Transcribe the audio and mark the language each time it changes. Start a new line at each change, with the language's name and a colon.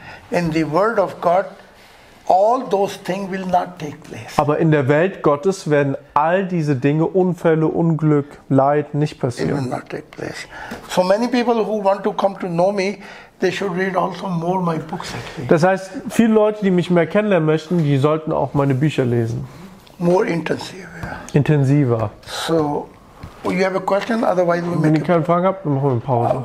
English: In the world of God, all those things will not take place.
German: Aber in der Welt Gottes werden all diese Dinge, Unfälle, Unglück, Leid nicht passieren.
English: It will not take place. So many people who want to come to know me, they should read also more my books.
German: Das heißt, viele Leute, die mich mehr kennenlernen möchten, die sollten auch meine Bücher lesen.
English: More intensive.
German: Intensiver.
English: So. Oh, you have a question? Otherwise we'll
German: Wenn ihr keine Fragen habt, dann machen wir eine Pause.